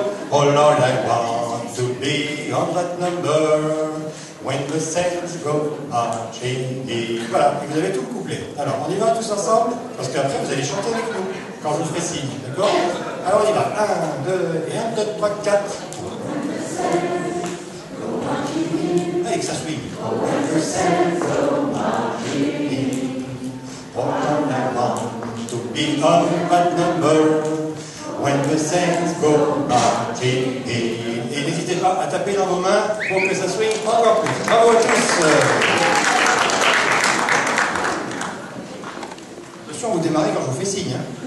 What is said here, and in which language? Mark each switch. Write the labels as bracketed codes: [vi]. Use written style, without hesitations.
[en] Oh Lord, I want to be on that number when the saints go marching in. [fr] Voilà, et vous avez tout le couplet. Alors, on y va tous ensemble, parce qu'après vous allez chanter avec nous quand je vous ferai signe, d'accord? Alors, on y va. 1, 2, et 1, 2, 3, 4. [en] When the saints go marching in. [fr] Allez, que ça swing. [en] When the saints go marching in. Oh Lord, I want to be on that number. When the saints go marching in. [fr] Et n'hésitez pas à taper dans vos mains pour que ça swing encore plus. Bravo à tous. Attention, vous démarrez quand je vous fais signe. Hein.